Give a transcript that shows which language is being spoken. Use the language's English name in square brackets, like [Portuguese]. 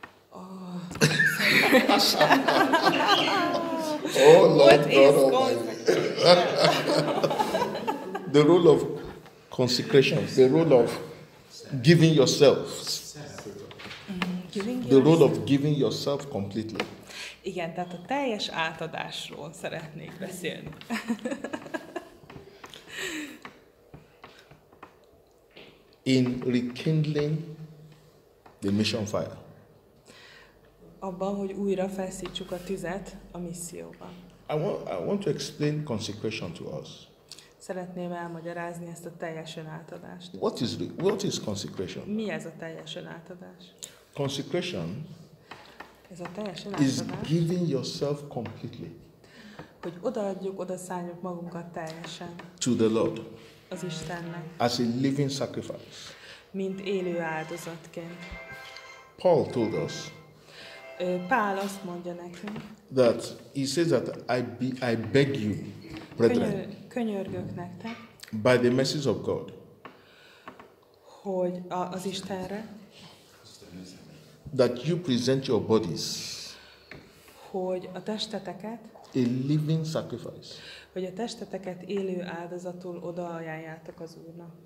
[English] Oh, Lord, what God is consecration? The role of consecration, the role of giving yourself, giving the role of giving yourself completely. [Hungarian] Igen, tehát a teljes átadásról szeretnék beszélni. [English] In rekindling the mission fire. [Hungarian] Abban, hogy újra feszítsük a tüzet a misszióban. [English] I want to explain consecration to us. [Hungarian] Szeretném elmagyarázni ezt a teljesen átadást. [English] What is consecration? [Hungarian] Mi ez a teljesen átadás? [English] Consecration. [Hungarian] Ez a teljesen [English] átadás. Is giving yourself completely. [Hungarian] Hogy odaadjuk, odaszálljuk magunkat teljesen. [English] To the Lord. [Hungarian] Az Istennek. [English] As a living sacrifice. [Hungarian] Mint élő áldozatként. [English] Paul told us. [Hungarian] Pál azt mondja nekünk. [English] That he says that I beg you, brethren. [Hungarian] Könyörgök nektek. [English] By the mercies of God. [Hungarian] Hogy az Istenre. [English] That you present your bodies. [Hungarian] Hogy a testeteket. [English] A living sacrifice. [Hungarian] Hogy a testeteket élő áldozatul odaajánljátok az Úrnak.